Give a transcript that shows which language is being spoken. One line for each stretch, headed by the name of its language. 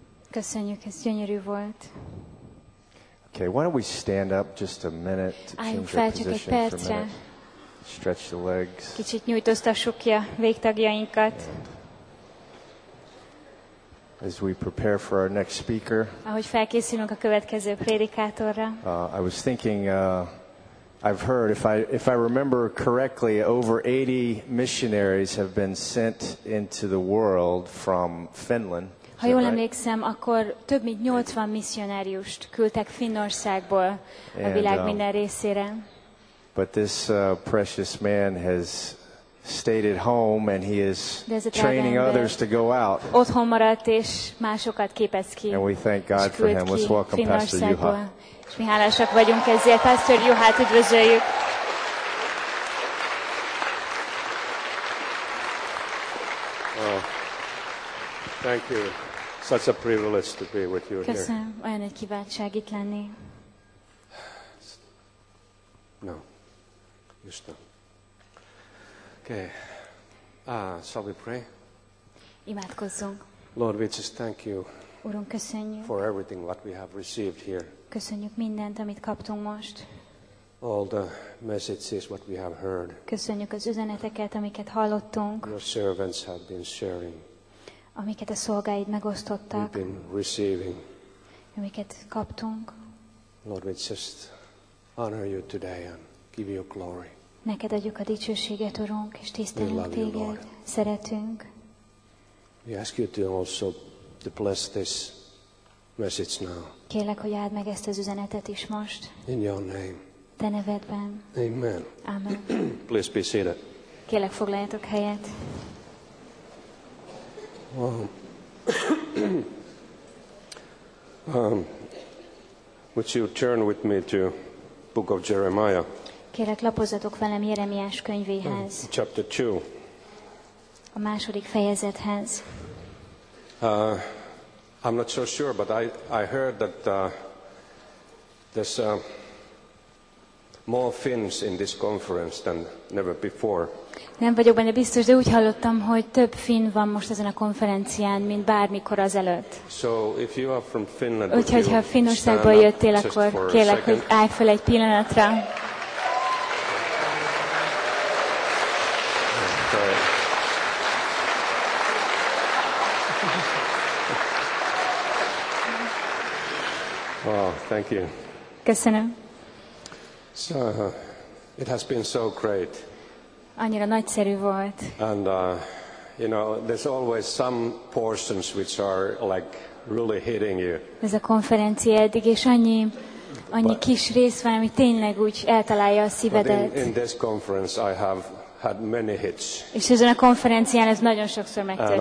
Hungarian: Köszönjük, ez gyönyörű volt.
English: Okay, why don't we stand up just a minute to change our position for a minute. Stretch the legs.
Hungarian: Kicsit nyújtóztassuk ki a végtagjainkat.
English: As we prepare for our next speaker.
Hungarian: Ahogy felkészülünk a következő prédikátorra.
English: I was thinking I've heard if I remember correctly over 80 missionaries have been sent into the world from Finland.
Hungarian: Ha jól emlékszem, akkor több mint 80 misszionáriust küldtek Finnországból a világ minden részére.
English: But this precious man has stayed at home and he is training others to go out.
Hungarian: Otthon maradt és másokat képez ki.
English: And we thank God for him. Let's welcome Pastor Juha.
Hungarian: És mi hálásak vagyunk ezért. Pastor Juhát üdvözöljük.
English: Thank you. Such a privilege to be with you.
Hungarian: Köszönöm.
English: Here.
Hungarian: Köszönöm. Olyan egy kiváltság itt lenni.
English: No. Just now. Okay. Shall we pray?
Hungarian: Imádkozzunk.
English: Lord, we just thank you.
Hungarian: Urunk, köszönjük.
English: For everything what we have received here.
Hungarian: Köszönjük mindent, amit kaptunk most.
English: All the messages what we have heard.
Hungarian: Köszönjük az üzeneteket, amiket hallottunk.
English: Your servants have been sharing.
Hungarian: Amiket a szolgáid megosztottak.
English: We've been receiving.
Hungarian: Amiket kaptunk.
English: Lord, we just honor you today and give you glory.
Hungarian: Neked adjuk a dicsőséget, Urunk, és tisztelünk téged. Szeretünk.
English: We ask you to also to bless this message now.
Hungarian: Kérlek, hogy áld meg ezt az üzenetet is most.
English: In your name.
Hungarian: Te nevedben. Amen. Amen.
English: Please be seated.
Hungarian: Kérlek, foglaljatok helyet.
English: Would you turn with me to Book of Jeremiah?
Hungarian: Kérlek, lapozzatok velem Jeremiás könyvéhez.
English: Chapter 2.
Hungarian: A második fejezethez.
English: I'm not so sure, but I heard that there's more Finns in this conference than never before.
Hungarian: Nem vagyok benne biztos, de úgy hallottam, hogy több finn van most ezen a konferencián, mint bármikor azelőtt.
English: So if you are from Finland,
Hungarian: úgyhogy ha Finnországból jöttél, akkor kérlek, hogy állj fel egy pillanatra.
English: Oh, thank you.
Hungarian: Köszönöm.
English: So, it has been so great.
Hungarian: Annyira nagyszerű volt.
English: And you know, there's always some portions which are like really hitting you.
Hungarian: Ez a konferencia eddig és annyi kis rész van, ami tényleg úgy eltalálja a szívedet.
English: But in this conference I have had many hits.
Hungarian: És ezen a konferencián ez nagyon sokszor megtörtént.